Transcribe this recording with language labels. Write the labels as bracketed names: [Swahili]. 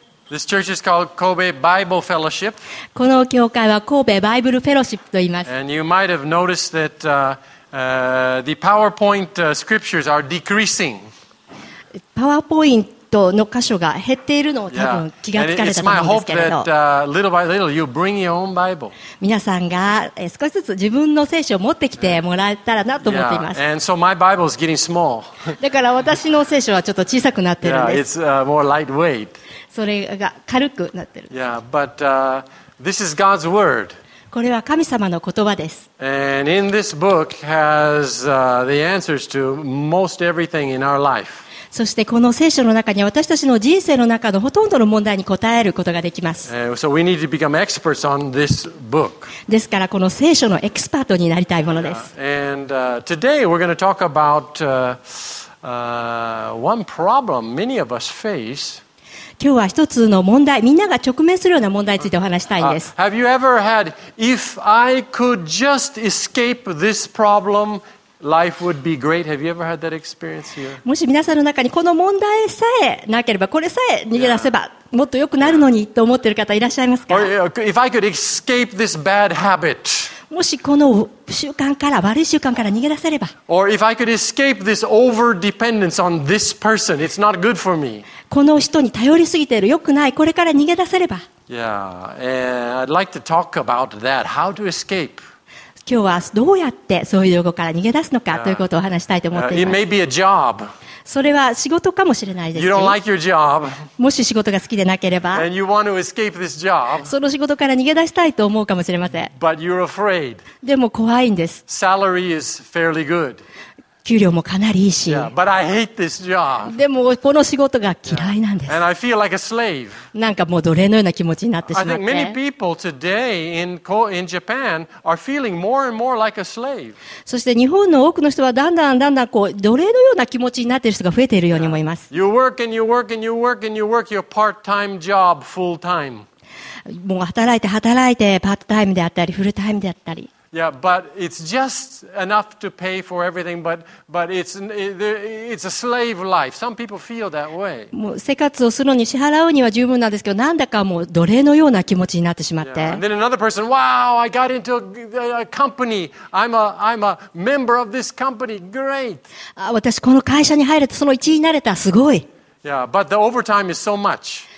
[English] This church is called Kobe Bible Fellowship. [Japanese] この教会は神戸バイブルフェロシップと言います。 [English] And you might have noticed that the PowerPoint scriptures are decreasing. [Japanese] PowerPoint の箇所が減っているのを多分気がつかれたと思うんですけれど。 [English] It's my hope that little by little you bring your own Bible. [Japanese] 皆さんが少しずつ自分の聖書を持ってきてもらえたらなと思っています。 [English] Yeah. And so my Bible is getting small. [Japanese] だから私の聖書はちょっと小さくなってるんです。 [English] Yeah, it's more lightweight. [Japanese] それが軽くなってる。 [English] Yeah, but this is God's word. [Japanese] これは神様の言葉です。 [English] And in this book has the answers to most everything in our life. [Japanese] そしてこの聖書の中に私たちの人生の中のほとんどの問題に答えることができます。 [English] So we need to become experts on this book. [Japanese] ですからこの聖書のエキスパートになりたいものです。 [English] And today we're going to talk about one problem many of us face. [Japanese] 今日は一つの問題、みんなが直面するような問題についてお話したいんです。 [English] Have you ever had, if I could just escape this problem, life would be great? Have you ever had that experience here? [Japanese] もし皆さんの中にこの問題さえなければ、これさえ逃げ出せば、もっと良くなるのにと思っている方いらっしゃいますか? [English] Or if I could escape this bad habit. [Japanese] もしこの習慣から悪い習慣から逃げ出せれば、 [English] Or if I could escape this over-dependence on this person, it's not good for me. [Japanese] この人に頼りすぎている、良くない、これから逃げ出せれば。 [English] Yeah, I'd like to talk about that. How to escape? [Japanese] 今日はどうやってそういう状況から逃げ出すのか、yeah. ということを話したいと思っています。 [English] It may be a job. [Japanese] それは仕事かもしれないですし、 [English] like、job, [Japanese] もし仕事が好きでなければ [English] job, [Japanese] その仕事から逃げ出したいと思うかもしれません [English] But you're afraid. [Japanese] でも怖いんです [English] Salary is fairly good. [Japanese] 給料もかなりいいし [English] yeah, but I hate this job. [Japanese] でもこの仕事が嫌いなんです [English] And I feel like a slave. [Japanese] なんかもう奴隷のような気持ちになってしまって [English] I think many people today in Japan are feeling more and more like a slave. [Japanese] そして日本の多くの人はだんだんだんだんこう奴隷のような気持ちになっている人が増えているように思います [English] You work and you work and you work and you work your part-time job full-time. [Japanese] もう働いて働いてパートタイムであったりフルタイムであったり [English] Yeah, but it's just enough to pay for everything, but it's a slave life. Some people feel that way. [Japanese] もう生活をするのに支払うには十分なんですけど、なんだかもう奴隷のような気持ちになってしまって。 [English] Yeah. And then another person, wow, I got into a company. I'm a member of this company. Great. [Japanese] 私この会社に入れて、その一員になれた。すごい。 [English] Yeah, but the overtime is so much.